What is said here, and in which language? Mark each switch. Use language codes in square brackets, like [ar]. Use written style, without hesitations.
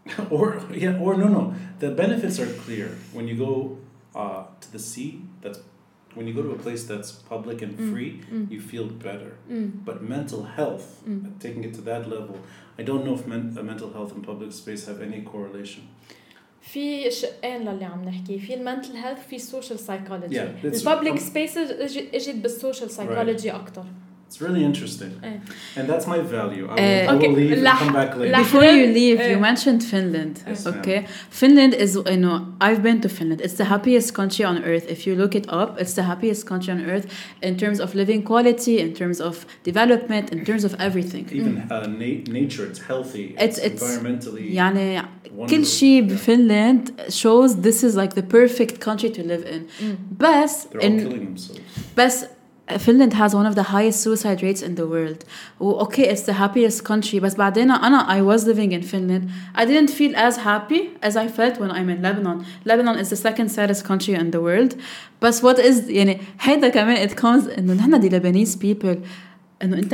[en] Or no, the benefits are clear. When you go to the sea, that's when you go to a place that's public and free, you feel better. But mental health, taking it to that level, I don't know if mental health and public space have any correlation. [ar] في شقين للي عم نحكي في المنتل هيلث في السوشيال سايكولوجي [en] yeah, [ar] البابليك سبيسز اجت بالسوشيال سايكولوجي اكثر [en] It's really interesting. And that's my value. I will leave and come back later. Before you leave, you mentioned Finland. Yes, okay. Ma'am. Finland is, you know, I've been to Finland. It's the happiest country on earth. If you look it up, it's the happiest country on earth in terms of living quality, in terms of development, in terms of everything. Even nature, it's healthy. It's environmentally [ar] يعني كل شيء بفنلند [en] shows this is like the perfect country to live in. But they're all killing themselves. Finland has one of the highest suicide rates in the world. Okay, it's the happiest country, but [ar] بعدين أنا [en] I was living in Finland. I didn't feel as happy as I felt when I'm in Lebanon. Lebanon is the second saddest country in the world. But what is [ar] يعني هيدا كمان [en] it comes [ar] إنه نحنا دي [en] Lebanese people [ar] إنه أنت